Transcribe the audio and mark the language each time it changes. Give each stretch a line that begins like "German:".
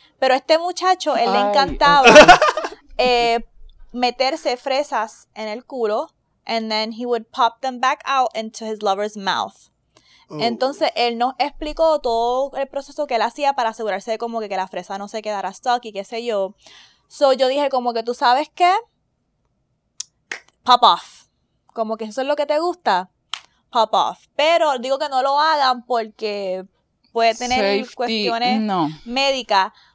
Spanish: Pero este muchacho, él le encantaba meterse fresas en el culo.
English: And then he would pop them back out into his lover's mouth.
Spanish: Entonces, él nos explicó todo el proceso que él hacía para asegurarse de como que la fresa no se quedara stuck y qué sé yo. So, yo dije como que, ¿tú sabes qué?
English: Pop off.
Spanish: Como que eso es lo que te gusta,
English: pop off.
Spanish: Pero digo que no lo hagan porque puede tener safety, cuestiones médicas.